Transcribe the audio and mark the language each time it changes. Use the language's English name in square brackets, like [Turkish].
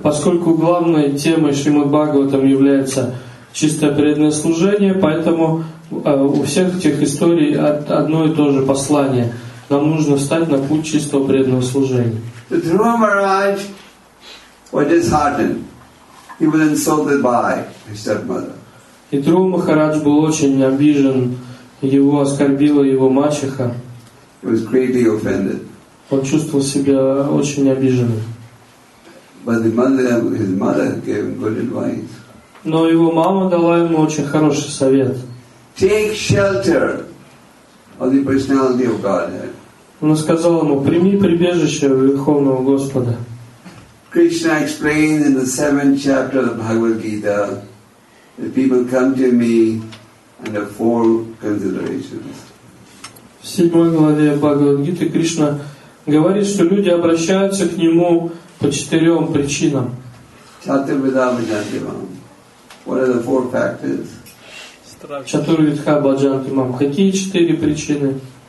[Russian] Поскольку главной темой Шримад-Бхагаватам является чистое преданное служение, поэтому у всех этих историй одно и то же послание. Нам нужно встать на путь чистого преданного служения. [English] So Dhruva Maharaj was disheartened. He was insulted by his stepmother. [Russian] И Dhruva Maharaj был очень обижен. Его оскорбила его мачеха. [English] He was greatly offended. [Russian] Он чувствовал себя очень обиженным. [English] But his mother gave him good advice. [Russian] Но его мама дала ему очень хороший совет. [English] Take shelter of the personality of Godhead. [Russian] Она сказала ему, прими прибежище Верховного Господа. [English] Krishna explains in the 7th chapter of Bhagavad Gita that people come to me under four considerations. [Russian] В 7 главе Бхагавад Гиты Кришна говорит, что люди обращаются к нему по четырем причинам. [English] What are the four factors? [Sanskrit] Чатурвидха Баджантимам. [Russian] Какие четыре причины?